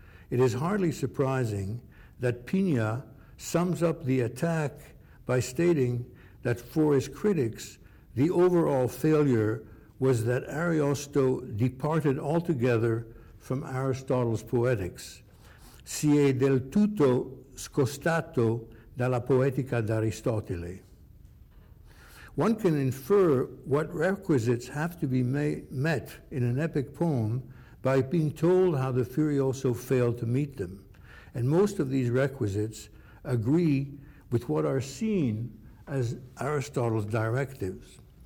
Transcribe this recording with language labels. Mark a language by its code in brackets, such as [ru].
[en] It is hardly surprising that Pigna sums up the attack by stating that for his critics, the overall failure was that Ariosto departed altogether from Aristotle's poetics. [it] Si è del tutto scostato dalla poetica d'Aristotele. [en] One can infer what requisites have to be met in an epic poem by being told how the Furioso failed to meet them. And most of these requisites agree with what are seen as Aristotle's directives.